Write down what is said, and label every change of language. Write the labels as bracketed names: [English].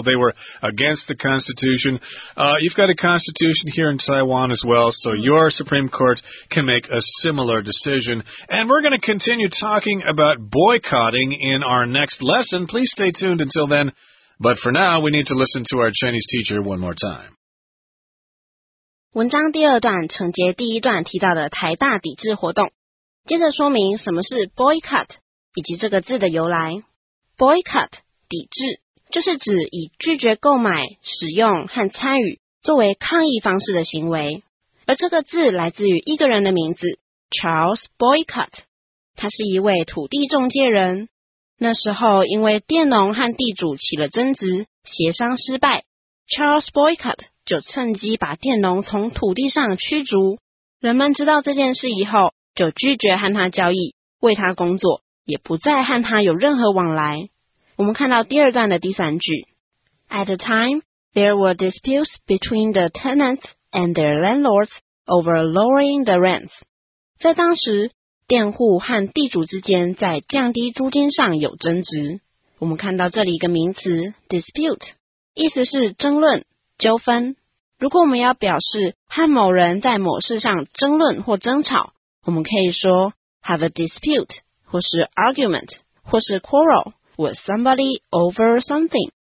[English] They were against the Constitution. You've got a constitution here in Taiwan as well, so your Supreme Court can make a similar decision. And we're going to continue talking about boycotting in our next lesson. Please stay tuned until then. But for now, we need to listen to our Chinese teacher one more time. [Chinese] 文章第二段承接第一段提到的台大抵制活动，接着说明什么是 boycott 以及这个字的由来。 boycott 抵制就是指以拒绝购买、使用和参与作为抗议方式的行为，而这个字来自于一个人的名字 Charles Boycott，他是一位土地中介人，那时候因为佃农和地主起了争执，协商失败， Charles Boycott就趁机把佃农从土地上驱逐，人们知道这件事以后，就拒绝和他交易，为他工作，也不再和他有任何往来。我们看到第二段的第三句 [English] At the time, there were disputes between the tenants and their landlords over lowering the rents. [Chinese] 在当时，佃户和地主之间在降低租金上有争执。我们看到这里一个名词 dispute， 意思是争论纠纷，如果我们要表示和某人在某事上争论或争吵，我们可以说 have a dispute 或是 argument 或是 quarrel with somebody over something。